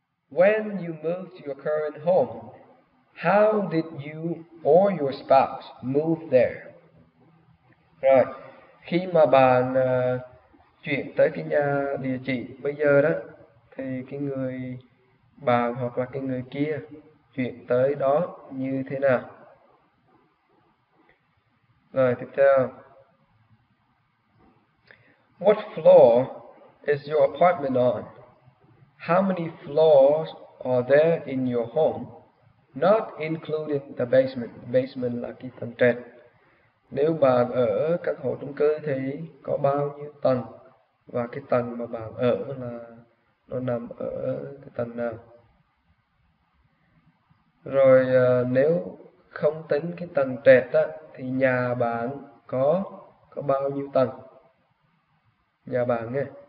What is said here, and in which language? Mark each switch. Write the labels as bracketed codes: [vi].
[en] When you moved to your current home, how did you or your spouse move there? [vi] Rồi, khi mà bạn chuyển tới cái nhà địa chỉ bây giờ đó, thì cái người bạn hoặc là cái người kia chuyển tới đó như thế nào? Rồi, tiếp theo. [en] What floor is your apartment on? How many floors are there in your home, not including the basement? [vi] Basement là cái tầng trệt. Nếu bạn ở căn hộ chung cư thì có bao nhiêu tầng? Và cái tầng mà bạn ở là nó nằm ở cái tầng nào? Rồi nếu không tính cái tầng trệt á, thì nhà bạn có bao nhiêu tầng? Nhà bạn nghe.